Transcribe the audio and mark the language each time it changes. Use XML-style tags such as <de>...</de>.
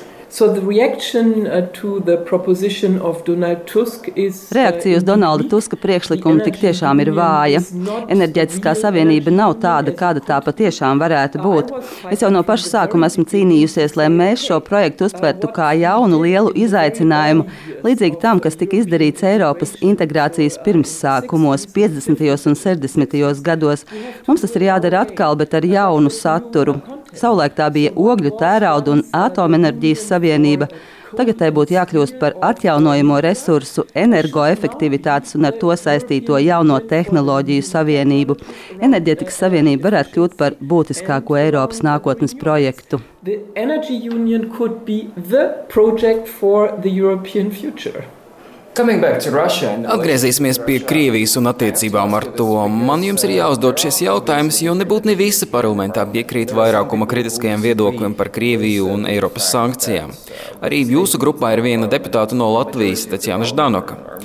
<en>So the reaction to the proposition of Donald Tusk is</en> <lv>Reakcija uz Donalda Tuska priekšlikumu tik tiešām ir vāja. Enerģētiskā savienība nav tāda, kāda tā patiešām varētu būt. Es jau no paša sākuma esmu cīnījusies, lai mēs šo projektu uztvertu kā jaunu lielu izaicinājumu, līdzīgi tam, kas tika izdarīts Eiropas integrācijas pirmsākumos 50. un 60. gados. Mums tas ir jādara atkal, bet ar jaunu saturu. Savulaik tā bija ogļu tērauda un atomenerģijas savienība. Tagad tai būtu jākļūst par atjaunojamo resursu, energoefektivitātes un ar to saistīto jauno tehnoloģiju savienību. Enerģētikas savienība varētu kļūt par būtiskāko Eiropas nākotnes projektu.</lv> <en>The energy union could be the project for the European future.</en> <lv>Atgriezīsimies pie Krievijas un attiecībām ar to. Man jums ir jāuzdod šis jautājums, jo nebūtu ne visi parlamentā piekrīt vairākuma kritiskajiem viedokļiem par Krieviju un Eiropas sankcijām. Arī jūsu grupā ir viena deputāta no Latvijas, Tatjana Ždanoka.</lv>